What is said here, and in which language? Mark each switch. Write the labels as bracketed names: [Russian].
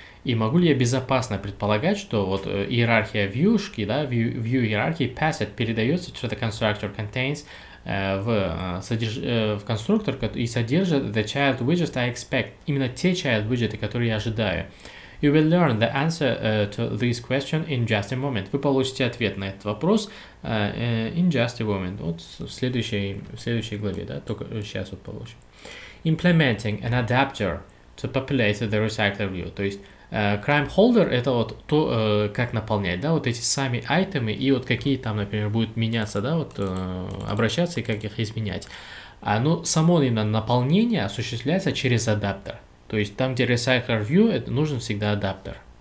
[Russian] И могу ли я безопасно предполагать, что вот иерархия вьюшки, да, [English] view hierarchy passage [Russian] передается [English] to the constructor contains [Russian] в конструктор и содержит [English] the child widgets I expect, [Russian] именно те child widgets, которые я ожидаю? [English] You will learn the answer to this question in just a moment. [Russian] Вы получите ответ на этот вопрос [English] in just a moment. [Russian] Вот в следующей главе, да, только сейчас вот получим. [English] Implementing an adapter to populate the recycler view. [Russian] То есть crime holder это вот то, как наполнять, да, вот эти сами айтемы и вот какие там, например, будут меняться, да, вот обращаться и как их изменять. Но само именно наполнение осуществляется через адаптер. То есть там, где Recycler View, это нужен всегда адаптер.